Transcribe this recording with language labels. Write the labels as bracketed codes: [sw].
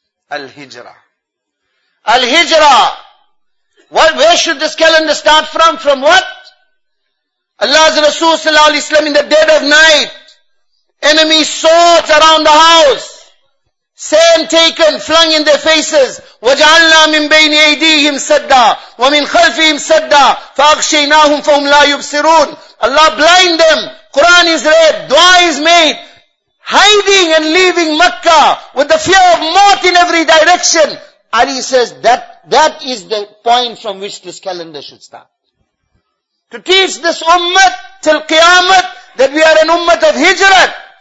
[en] Al-Hijrah. Al-Hijrah. Where should this calendar start from? From what? Allah's Rasul sallallahu alayhi wa sallam in the dead of night. Enemy swords around the house. Sand taken, flung in their faces. [ar] وَجَعَلْنَا مِنْ بَيْنِ أَيْدِيهِمْ سَدَّا وَمِنْ خَلْفِهِمْ سَدَّا فَأَغْشَيْنَاهُمْ فَهُمْ لَا يُبْصِرُونَ [en] Allah blind them. Quran is read. Dua is made. Hiding and leaving Makkah with the fear of mort in every direction. Ali says that is the point from which this calendar should start. To teach this ummah till Qiyamah that we are an ummah of hijrat.